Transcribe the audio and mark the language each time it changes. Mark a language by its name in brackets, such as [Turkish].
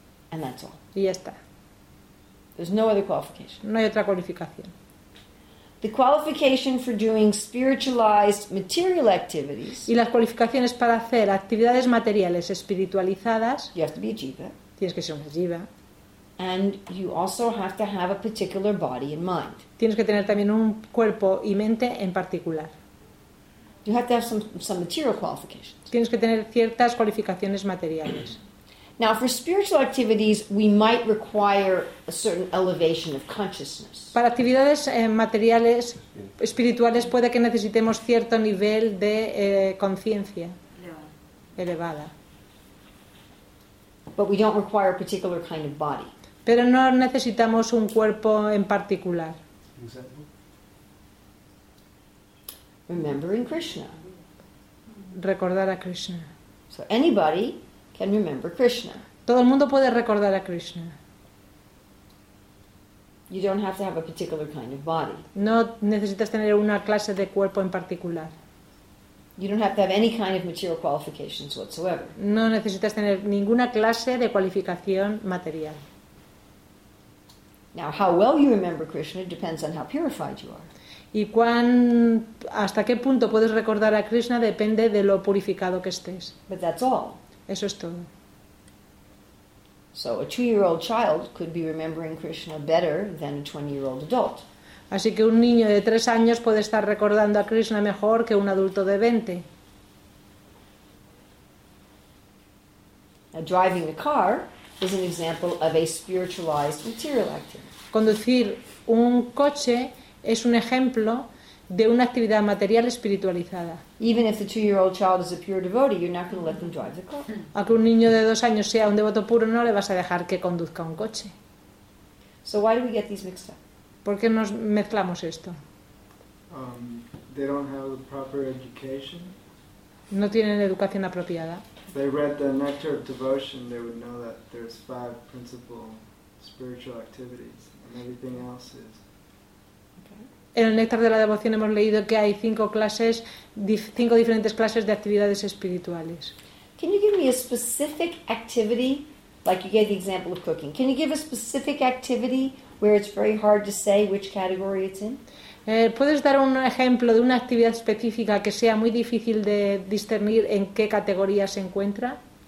[English] And that's all. [Spanish] Y ya está. [English] There's no other qualification. [Spanish] No hay otra cualificación. [English] The qualification for doing spiritualized material activities. [Spanish] Y las cualificaciones para hacer actividades materiales espiritualizadas. [English] You have to be a jiva. [Spanish] Tienes que ser una jiva. [English] And you also have to have a particular body and mind. [Spanish] Tienes que tener también un cuerpo y mente en particular. [English] You have to have some material qualifications. [Spanish] Tienes que tener ciertas cualificaciones materiales. [English] Now, for spiritual activities, we might require a certain elevation of consciousness. [Spanish] Para actividades materiales espirituales puede que necesitemos cierto nivel de conciencia elevada. [English] But we don't require a particular kind of body. [Spanish] Pero no necesitamos un cuerpo en particular. [English] Example. Remembering Krishna. [Spanish] Recordar a Krishna. [English] So anybody can remember Krishna. [Spanish] Todo el mundo puede recordar a Krishna. [English] You don't have to have a particular kind of body. [Spanish] No necesitas tener una clase de cuerpo en particular. [English] You don't have to have any kind of material qualifications whatsoever. [Spanish] No necesitas tener ninguna clase de cualificación material. [English] Now, how well you remember Krishna depends on how purified you are. [Spanish] Y hasta qué punto puedes recordar a Krishna depende de lo purificado que estés. [English] But that's all. [Spanish] Eso es todo. [English] So a 2-year-old child could be remembering Krishna better than a 20-year-old adult. [Spanish] Así que un niño de 3 años puede estar recordando a Krishna mejor que un adulto de 20. [English] Now, driving a car is an example of a spiritualized material activity. [Spanish] Conducir un coche es un ejemplo de una actividad material espiritualizada. [English] Even if the 2-year-old child is a pure devotee, you're not going to let them drive the car. [Spanish] Aunque un niño de 2 años sea un devoto puro, no le vas a dejar que conduzca un coche. [English] So why do we get these mixed up? [Spanish] ¿Por qué nos mezclamos esto? [English] They don't have the proper education. [Spanish] No tienen educación apropiada. [English] If they read the Nectar of Devotion, they would know that there's 5 principal spiritual activities, and everything else is. [Spanish] En el Néctar de la Devoción hemos leído que hay 5 clases, 5 diferentes clases de actividades espirituales. [English] Can you give me a specific activity, like you gave the example of cooking? Can you give a specific activity where it's very hard to say which category it's in? [Spanish] ¿Puedes dar un ejemplo de una actividad específica que sea muy difícil de discernir en qué categoría se encuentra?